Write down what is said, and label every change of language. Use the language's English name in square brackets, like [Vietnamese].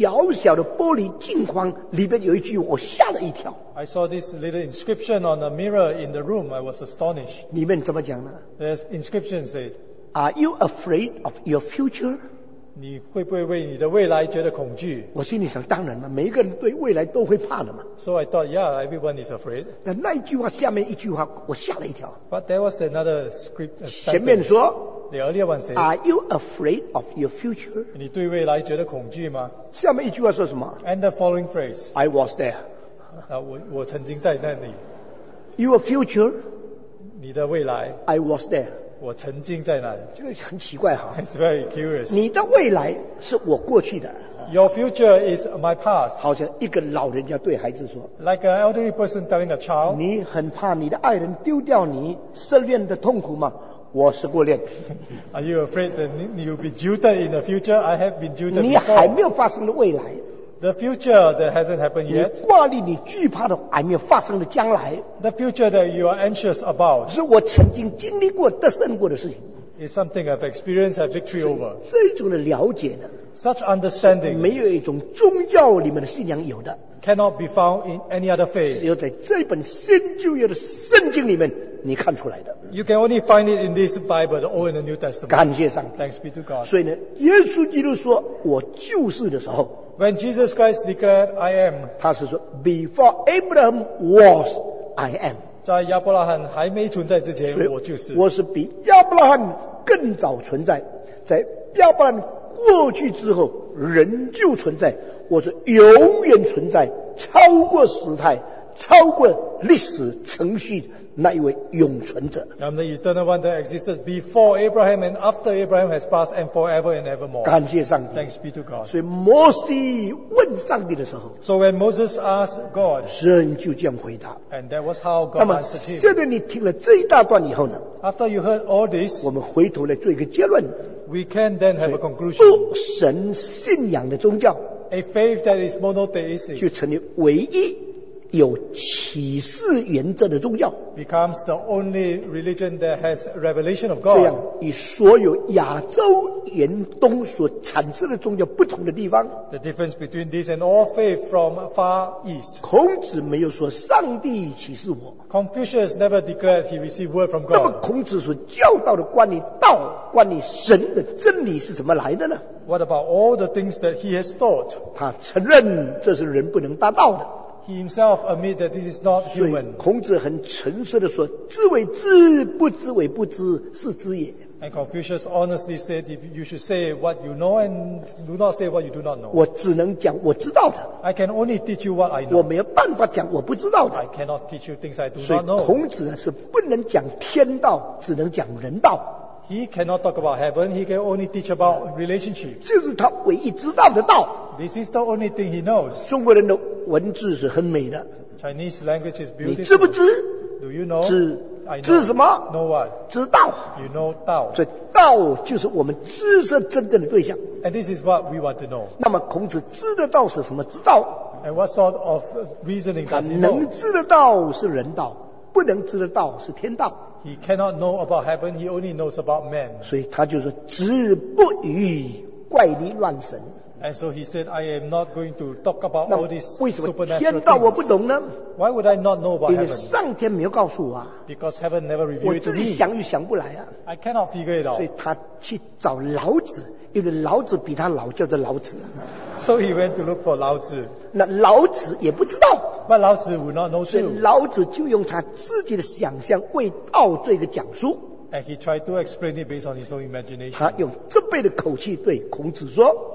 [Chinese] 我看见这个牧师的办公室有一个小小的玻璃镜框, 里面有一句, 我吓了一跳, [English] I saw this little inscription on a mirror in the room. I was astonished. [Chinese] 里面怎么讲呢? [English] The inscription said, are you afraid of your future? [Chinese] 你会不会为你的未来觉得恐惧? 我心里想当然嘛, 每一个人对未来都会怕的嘛。 [English] So I thought, yeah, everyone is afraid. [Chinese] 但那一句话下面一句话, 我吓了一跳。 [English] But there was another script. [Chinese] 前面说, [English] the earlier one said, are you afraid of your future? [Chinese] 你对未来觉得恐惧吗? 下面一句话说什么? [English] And the following phrase, I was there. [Chinese] 我曾经在那里。 [English] Your future, [Chinese] 你的未来, [English] I was there. [Chinese] 我曾经在那里, 这个很奇怪哈, [English] it's very curious. [Chinese] 你的未来是我过去的, [English] your future is my past. [Chinese] 好像一个老人家对孩子说, [English] like an elderly person telling a child, [Chinese] 你很怕你的爱人丢掉你, 失恋的痛苦吗? 我失过恋。 [English] Are you afraid that you'll be jilted in the future? I have been jilted before. [Chinese] 你还没有发生的未来, [English] the future that hasn't happened yet. [Chinese] 你挂虑你惧怕的, 还没有发生的将来, [English] the future that you are anxious about. [Chinese] 是我曾经经历过得胜过的事情。 [English] It's something I've experienced, I've victory over. [Chinese] 这种的了解呢, [English] such understanding, [Chinese] 没有一种宗教里面的信仰有的, [English] cannot be found in any other faith. [Chinese] 只有在这本新旧约的圣经里面, 你看出来的。 [English] You can only find it in this Bible, the Old and the New Testament. [Chinese] 感谢上帝。 [English] Thanks be to God. [Chinese] 所以呢, 耶稣基督说, 我就是的时候, [English] when Jesus Christ declared, I am, [Chinese] 他是说, [English] before Abraham was, I am. [Chinese] 在亚伯拉罕还没存在之前, 我就是。我是比亚伯拉罕更早存在, 在亚伯拉罕过去之后, 仍旧存在, 我是永远存在, 超过时态, 超过历史程序, 那一位永存者。 [English] I'm the eternal one that existed before Abraham and after Abraham has passed and forever and evermore. [Chinese] 感谢上帝。 [English] Thanks be to God. [Chinese] 所以摩西问上帝的时候, [English] so when Moses asked God, [Chinese] 神就这样回答, [English] and that was how God answered him. [Chinese] 那么现在你听了这一大段以后呢, [English] after you heard all this, [Chinese] 我们回头来做一个结论, [English] we can then have a conclusion. [Chinese] 不神信仰的宗教, [English] a faith that is monotheistic, [Chinese] 就成为唯一, 有启示原则的宗教, [English] becomes the only religion that has revelation of God. [Chinese] 这样以所有亚洲远东所产生的宗教不同的地方, [English] the difference between this and all faith from far east. [Chinese] 孔子没有说上帝启示我, [English] Confucius never declared he received word from God. [Chinese] 那么孔子所教导的关于道, 关于神的真理是怎么来的呢? [English] What about all the things that he has taught? [Chinese] 他承认这是人不能达到的, [English] He himself admit that this is not human. [Chinese] 孔子很诚实地说，知为知，不知为不知，是知也。 [English] And Confucius honestly said, if you should say what you know and do not say what you do not know. [Chinese] 我只能讲我知道的。 [English] I can only teach you what I know. [Chinese] 我没有办法讲我不知道的。 [English] I cannot teach you things I do not know. [Chinese] 孔子是不能讲天道，只能讲人道。 [English] He cannot talk about heaven, he can only teach about relationship. [Chinese] 这是他唯一知道的道。 [English] This is the only thing he knows. [Chinese] 中国人的文字是很美的。 [English] Chinese language is beautiful. [Chinese] 你知不知? [English] Do you know? [Chinese] 知什么? [English] Know what? [Chinese] 知道。 [English] You know 道。 [Chinese] 所以道就是我们知识真正的对象。 [English] And this is what we want to know. [Chinese] 那么孔子知的道是什么? 知道。 [English] And what sort of reasoning does he know? [Chinese] 能知的道是人道。不能知的道是天道。 [English] He cannot know about heaven, he only knows about man. [Chinese] 所以他就说，子不语怪力乱神。 [English] And so he said, I am not going to talk about all these supernatural things. [Chinese] 天道我不懂呢? [English] Why would I not know about heaven? [Chinese] 因为上天没有告诉我啊。 [English] Because heaven never revealed to me. [Chinese] 我自己想也想不来啊。 [English] I cannot figure it out. [Chinese] 所以他去找老子。因为老子比他老叫的老子， [English] so he went to look for 老子。 [Chinese] 那老子也不知道， [English] but 老子 would not know too. [Chinese] 所以老子就用他自己的想象为道做一个讲述， [English] and he tried to explain it based on his own imagination. [Chinese] 他用这辈的口气对孔子说，